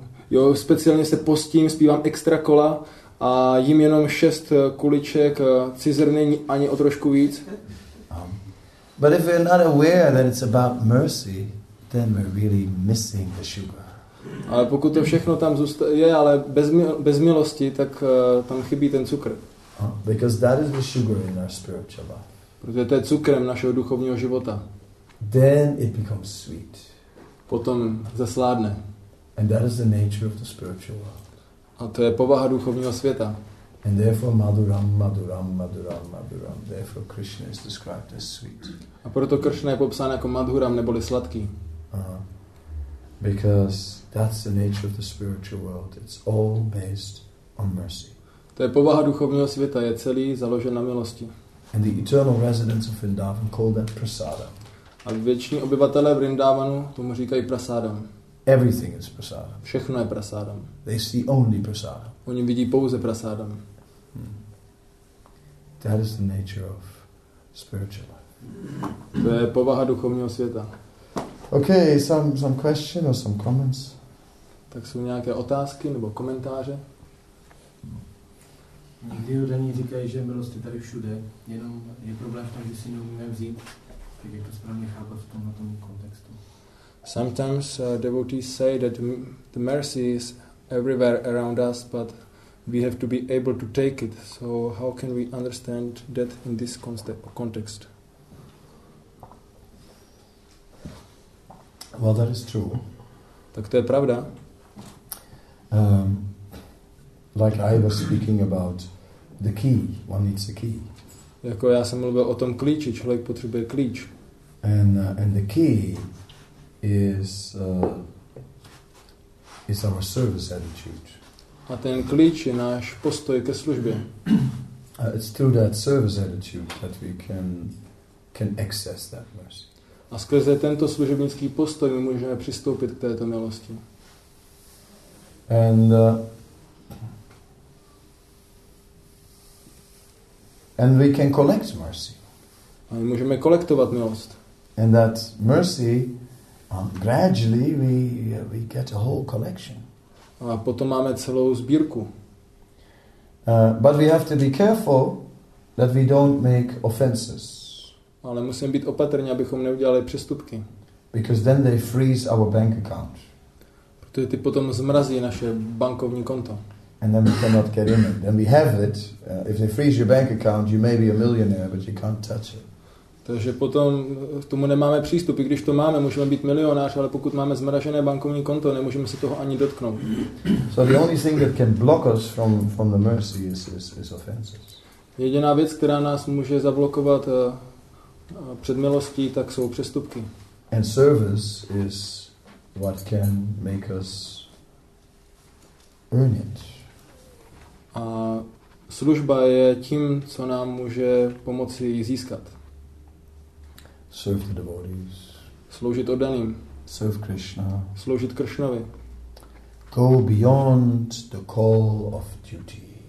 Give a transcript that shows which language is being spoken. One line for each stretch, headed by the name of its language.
Czech: Jo, speciálně se postím, zpívám extra kola a jím jenom 6 kuliček cizrny, ani o trošku víc.
English: But if we're not aware that it's about mercy, then we're really missing the sugar.
Czech: Ale pokud to všechno tam zůstane, ale bez milosti, tak tam chybí ten cukr.
English: Because that is the sugar in our spiritual life.
Czech: Protože to je cukrem našeho duchovního života.
English: Then it becomes sweet.
Czech: Potom zesládne.
English: And that is the nature of the spiritual world.
Czech: A to je povaha duchovního světa.
English: And therefore maduram, maduram, maduram, maduram. Therefore Krishna is described as sweet.
Czech: A proto Krishna je popsán jako madhuram, neboli sladký.
English: Because that's the nature of the spiritual world. It's all based on mercy.
Czech: To je povaha duchovního světa, je celý založen na milosti.
English: And the eternal residents of Vrindavan call that prasada.
Czech: A věční obyvatelé Vrindavanu tomu říkají prasádam.
English: Everything is prasada.
Czech: Všechno je prasádam.
English: They see only prasada.
Czech: Oni vidí pouze prasádam.
English: That is the nature of spiritual life.
Czech: To je povaha duchovního světa.
English: Okay, some question or some comments.
Czech: Tak jsou nějaké otázky nebo komentáře? Někdy udaní říkají, že milost je tady všude, jenom je problém v tom, že si neumíme vzít. Tak jak to správně chápat v tomhle tom kontextu?
English: Sometimes devotees say that the mercy is everywhere around us, but we have to be able to take it. So how can we understand that in this context? Well, that is true.
Czech: Tak to je pravda.
English: Like I was speaking about the key, one needs a key.
Czech: Jako já jsem mluvil o tom klíči, člověk potřebuje klíč.
English: And the key is our service attitude.
Czech: A ten klíč je náš postoj ke službě.
English: It's through that service attitude that we can access that mercy.
Czech: A skrze tento služebnický postoj my můžeme přistoupit k této milosti.
English: And we can collect mercy.
Czech: A my můžeme kolektovat milost.
English: And that mercy, gradually we get a whole collection.
Czech: A potom máme celou sbírku.
English: But we have to be careful that we don't make offenses.
Czech: Ale musíme být opatrní, abychom neudělali přestupky.
English: Because then they freeze our bank account.
Czech: Protože ty potom zmrazí naše bankovní konto.
English: And then we cannot get in it. Then we have it. If they freeze your bank account, you may be a millionaire, but you can't touch it.
Czech: Takže potom k tomu nemáme přístup. I když to máme, můžeme být milionář, ale pokud máme zmražené bankovní konto, nemůžeme se toho ani dotknout.
English: So the only thing that can block us from the mercy is offenses.
Czech: Jediná věc, která nás může zablokovat před milostí, tak jsou přestupky.
English: And service is what can make us earn it.
Czech: A služba je tím, co nám může pomoci získat.
English: Serve the devotees.
Czech: Sloužit oddaným.
English: Serve Krishna.
Czech: Sloužit Kršnovi.
English: Go beyond the call of duty.